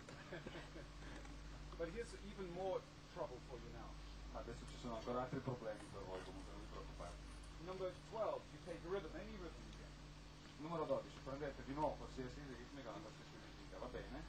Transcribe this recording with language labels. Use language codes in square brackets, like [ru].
[en] But here's even more trouble for you now. [it] Adesso ci sono ancora altri problemi per voi, comunque non vi preoccupate. [en] Number 12, you take a rhythm, any rhythm again. [it] Numero 12, prendete di nuovo qualsiasi ritmica, una qualsiasi ritmica, va bene.